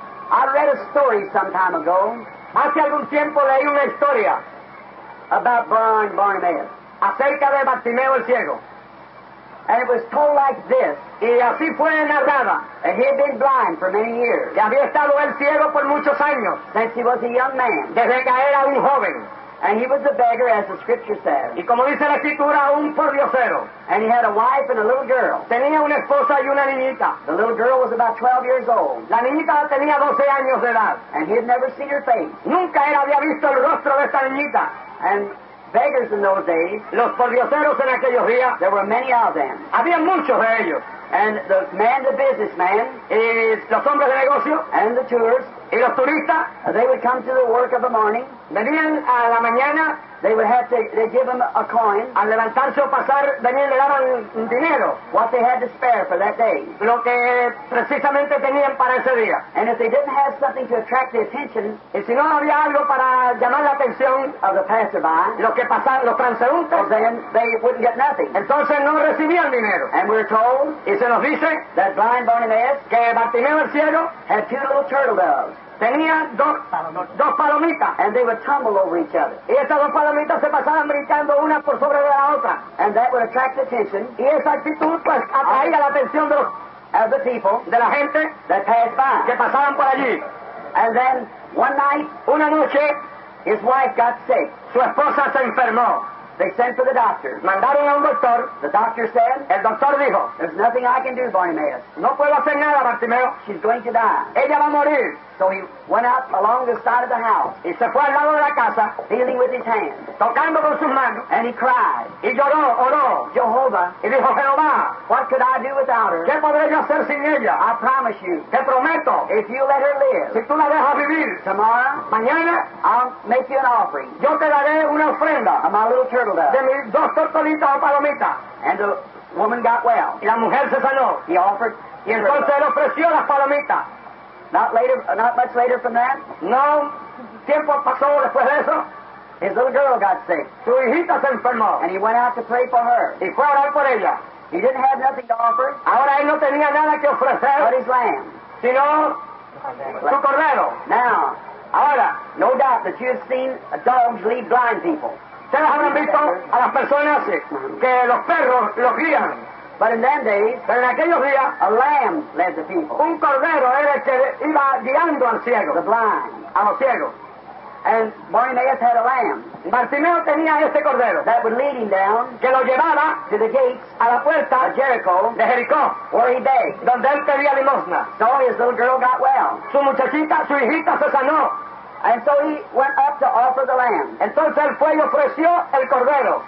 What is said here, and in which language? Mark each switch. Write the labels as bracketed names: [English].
[English] I read a story some time ago. [Spanish] Hace algún tiempo leí una historia [English] about blind Bartimaeus. [Spanish] Acerca de Bartimeo el ciego. [English] And it was told like this. [Spanish] Y así fue narrada. [English] And he had been blind for many years. [Spanish] Y había estado él ciego por muchos años. [English] Since he was a young man. [Spanish] Desde que era un joven. [English] And he was a beggar, as the scripture says. [Spanish] Y como dice la escritura, un pordiosero. [English] And he had a wife and a little girl. [Spanish] Tenía una esposa y una niñita. [English] The little girl was about 12 years old. [Spanish] La niñita tenía 12 años de edad. [English] And he had never seen her face. [Spanish] Nunca él había visto el rostro de esta niñita. [English] And beggars in those days. [Spanish] Los pordioseros en aquellos días. [English] There were many of them. [Spanish] Había muchos de ellos. [English] And the man, the businessman, [Spanish] los hombres de negocio, [English] and the tourists, [Spanish] y los turistas, [English] they would come to the work of the morning. [Spanish] Venían a la mañana. [English] They would have to, they'd give them a coin. [Spanish] Al levantarse o pasar, venían, le daban dinero. [English] What they had to spare for that day. [Spanish] Lo que precisamente tenían para ese día. [English] And if they didn't have something to attract the attention, [Spanish] y si no había algo para llamar la atención [English] of the passerby, [Spanish] lo que pasaron, los transeúntes, [English] then they wouldn't get nothing. [Spanish] Entonces no recibían dinero. [English] And we're told, [Spanish] y se nos dice, [English] that blind Bartimaeus, [Spanish] que Bartimeo el ciego, [English] had two little turtle doves. [Spanish] Tenía dos palomitas. [English] And they would tumble over each other. [Spanish] Y estas dos palomitas se pasaban brincando una por sobre de la otra. [English] And that would attract attention. [Spanish] Y esa actitud pues atraía la atención de los, [English] of the people, [Spanish] de la gente [English] that passed by, [Spanish] que pasaban por allí. [English] And then one night, [Spanish] una noche, [English] his wife got sick. [Spanish] Su esposa se enfermó. [English] They sent for the doctor. [Spanish] Mandaron a un doctor. [English] The doctor said, [Spanish] el doctor dijo, [English] there's nothing I can do, Bartimaeus. [Spanish] No puedo hacer nada, Bartimeo. [English] She's going to die. [Spanish] Ella va a morir. [English] So he went out along the side of the house. [Spanish] Y se fue al lado de la casa. [English] Feeling with his hands. [Spanish] Tocando con sus manos. [English] And he cried. [Spanish] Y lloró, oró. [English] Jehovah. [Spanish] Y dijo, Jehová. [English] What could I do without her? [Spanish] ¿Qué podré yo hacer sin ella? [English] I promise you. [Spanish] Te prometo. [English] If you let her live. [Spanish] Si tú la dejas vivir. [English] Tomorrow. [Spanish] Mañana. [English] I'll make you an offering. [Spanish] Yo te daré una ofrenda. [English] Of my little turtle dove. [Spanish] De mis dos tortolitas o palomitas. [English] And the woman got well. [Spanish] Y la mujer se sanó. [English] He offered. [Spanish] Y entonces él ofreció las palomitas. [English] Not much later from that. [Spanish] No, tiempo pasó después de eso. [English] His little girl got sick. [Spanish] Su hijita se enfermó. [English] And he went out to pray for her. [Spanish] Y fue a orar por ella. [English] He didn't have nothing to offer. [Spanish] Ahora él no tenía nada que ofrecer. [English] But his lamb. [Spanish] Sino su cordero. [English] Now, [Spanish] ahora, [English] no doubt that you have seen dogs lead blind people. [Spanish] Ustedes habrán visto a las personas que los perros los guían. [English] But in them days, [Spanish] pero en aquellos días, [English] a lamb led the people. [Spanish] Un cordero era el que iba guiando al ciego. [English] The blind. [Spanish] A los ciegos. [English] And Bartimaeus had a lamb. [Spanish] Bartimeo tenía ese cordero. [English] That would lead him down. [Spanish] Que lo llevaba [English] to the gates, [Spanish] a la puerta [English] of Jericho, [Spanish] de Jericó, [English] where he begged. [Spanish] Donde él pedía limosna. [English] So his little girl got well. [Spanish] Su muchachita, su hijita se sanó. [English] And so he went up to offer the lamb. [Spanish] Entonces él fue y ofreció el cordero.